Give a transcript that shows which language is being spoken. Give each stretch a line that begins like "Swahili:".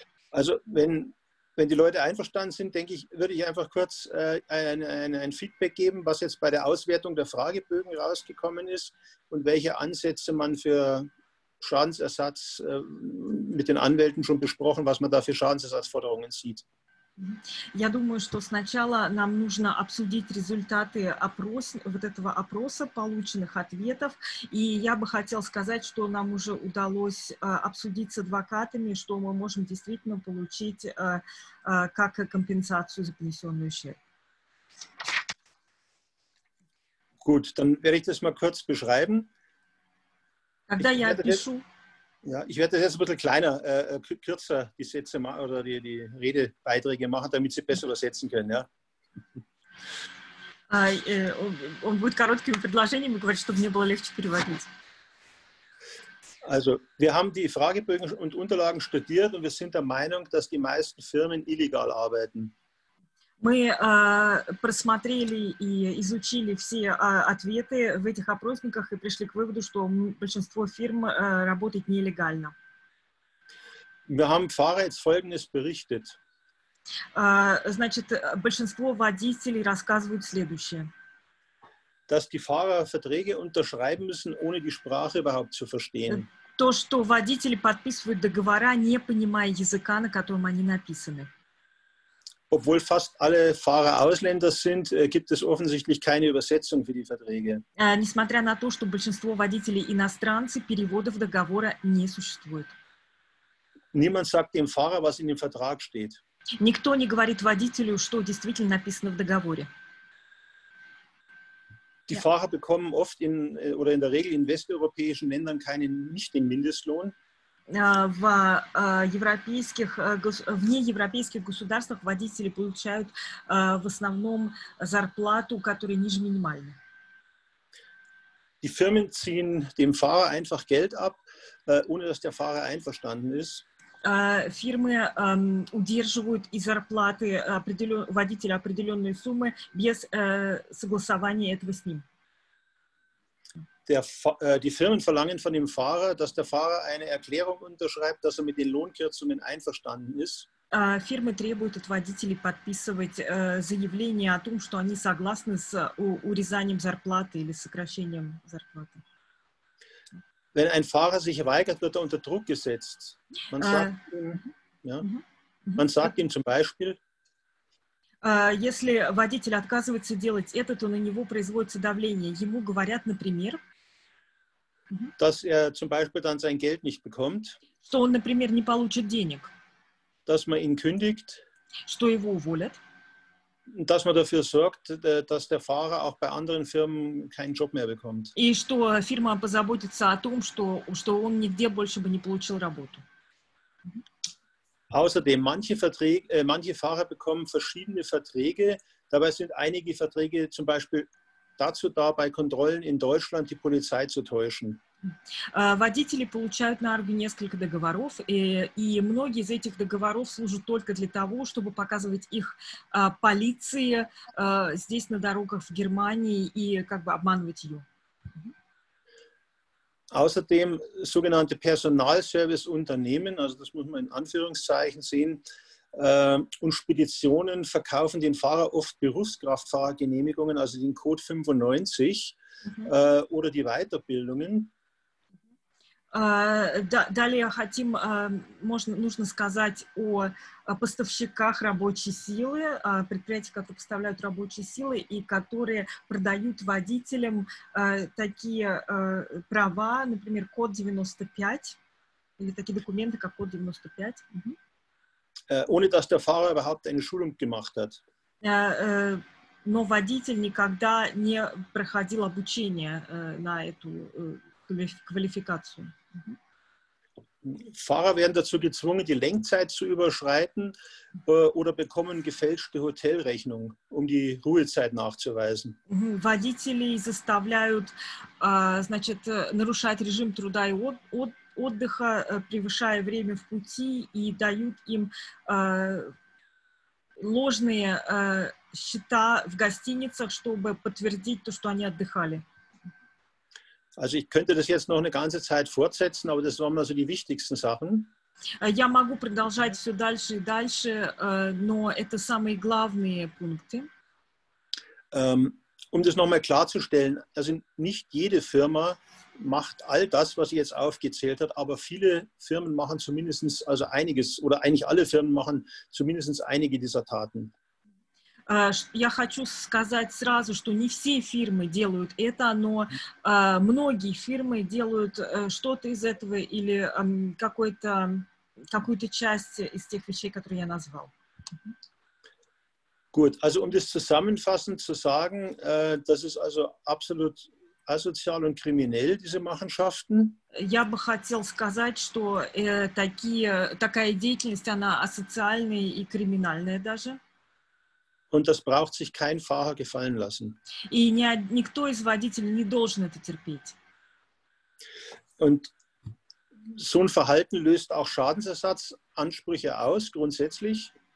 German: Also, wenn die Leute einverstanden sind, denke ich, würde ich einfach kurz ein Feedback geben, was jetzt bei der Auswertung der Fragebögen rausgekommen ist und welche Ansätze man für Schadensersatz mit den Anwälten schon besprochen, was man da für Schadensersatzforderungen sieht.
Russian: Я думаю, что сначала нам нужно обсудить результаты вот этого опроса, полученных ответов. И я бы хотел сказать, что нам уже удалось обсудить с адвокатами, что мы можем действительно получить как компенсацию за понесенную ущерб.
German: Gut, dann werde ich das mal kurz beschreiben.
Russian: Когда я опишу.
German: Ja, ich werde das jetzt ein bisschen kleiner, kürzer die Sätze oder die Redebeiträge machen, damit Sie besser übersetzen können. Ja.
Russian: Он будет короткими предложениями говорить, чтобы мне было легче переводить.
German: Also wir haben die Fragebögen und Unterlagen studiert und wir sind der Meinung, dass die meisten Firmen illegal arbeiten.
Russian: Мы просмотрели и изучили все ответы в этих опросниках и пришли к выводу, что большинство фирм работает нелегально.
German: Wir haben Fahrer jetzt Folgendes berichtet.
Russian: Значит, большинство водителей рассказывают следующее.
German: Dass die Fahrer Verträge unterschreiben müssen, ohne die Sprache überhaupt zu verstehen.
Russian: То, что водители подписывают договора, не понимая языка, на котором они написаны.
German: Obwohl fast alle Fahrer Ausländer sind, gibt es offensichtlich keine Übersetzung für die Verträge.
Russian: Несмотря на то, что большинство водителей иностранцы, переводов договора не существует.
German: Niemand sagt dem Fahrer, was in dem Vertrag steht.
Russian: Никто не говорит водителю, что действительно написано в договоре.
German: Die Fahrer bekommen oft in oder in der Regel in westeuropäischen Ländern keinen, nicht den Mindestlohn.
Russian: В неевропейских государствах водители получают в основном зарплату, которая ниже минимальной.
German: Die Firmen ziehen dem Fahrer einfach Geld ab, ohne dass der Fahrer einverstanden ist.
Russian: Фирмы удерживают из зарплаты водителя определенные суммы без согласования этого с ним.
German: Die Firmen verlangen von dem Fahrer, dass der Fahrer eine Erklärung unterschreibt, dass er mit den Lohnkürzungen einverstanden ist.
Russian: Фирмы требуют от водителей подписывать заявление о том, что они согласны с урезанием зарплаты или сокращением зарплаты.
German: Wenn ein Fahrer sich weigert, wird er unter Druck gesetzt. Man sagt, man sagt ihm zum Beispiel,
Russian: если водитель отказывается делать это, то на него производится давление. Ему говорят, например,
German: dass er zum Beispiel dann sein Geld nicht bekommt,
Russian: что он, например, не получит денег,
German: dass man ihn kündigt,
Russian: что его уволят,
German: dass man dafür sorgt, dass der Fahrer auch bei anderen Firmen keinen Job mehr bekommt.
Russian: И что фирма позаботится о том, что он нигде больше бы не получил работу.
German: Außerdem, manche Fahrer bekommen verschiedene Verträge. Dabei sind einige Verträge zum Beispiel dazu da, bei Kontrollen in Deutschland die Polizei zu täuschen.
Russian: Водители получают на руки несколько договоров, и многие из этих договоров служат только для того, чтобы показывать их полиции здесь на дорогах в Германии и как бы обманывать ее.
German: Außerdem sogenannte Personalserviceunternehmen, also das muss man in Anführungszeichen sehen, und Speditionen verkaufen den Fahrer oft Berufskraftfahrergenehmigungen, also den Code 95 oder die Weiterbildungen.
Russian: Далее хотим, можно, нужно сказать о поставщиках рабочей силы, предприятиях, которые поставляют рабочие силы и которые продают водителям такие права, например, код 95 или такие документы, как код 95.
German: Ohne dass der Fahrer überhaupt eine Schulung gemacht hat.
Russian: Но водитель никогда не проходил обучение на эту квалификацию.
German: Fahrer werden dazu gezwungen, die Lenkzeit zu überschreiten oder bekommen gefälschte Hotelrechnungen, um die Ruhezeit nachzuweisen.
Russian: Водителей заставляют, значит, нарушать режим труда и отдыха, превышая время в пути, и дают им ложные счета в гостиницах, чтобы подтвердить то, что они отдыхали.
German: Also ich könnte das jetzt noch eine ganze Zeit fortsetzen, aber das waren also die wichtigsten Sachen.
Russian: Я могу продолжать все дальше и дальше, но это самые главные пункты.
German: Um das nochmal klarzustellen, also nicht jede Firma macht all das, was ich jetzt aufgezählt habe, aber viele Firmen machen zumindest also einiges, oder eigentlich alle Firmen machen zumindest einige dieser Taten.
Russian: Я хочу сказать сразу, что не все фирмы делают это, но многие фирмы делают что-то из этого или какую-то часть из тех вещей, которые я назвал.
German: Gut, also um das zusammenfassend zu sagen, das ist also absolut asozial und kriminell, diese Machenschaften.
Russian: Я бы хотел сказать, что такая деятельность, она асоциальная и криминальная даже.
German: Und das braucht sich kein Fahrer gefallen lassen.
Russian: Никто из водителей не должен это терпеть.
German: Und so ein Verhalten löst auch Schadensersatzansprüche aus, grundsätzlich.